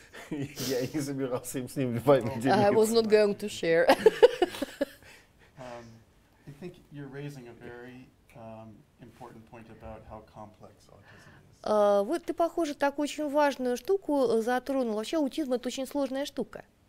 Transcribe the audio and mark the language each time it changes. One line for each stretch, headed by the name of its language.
Russian: Я не собирался им с ним вами делиться.
English: I was not going to share. I think you're raising a very important point about how complex autism is.
Russian: Вот ты, похоже, так очень важную штуку затронул. Вообще аутизм — это очень сложная штука.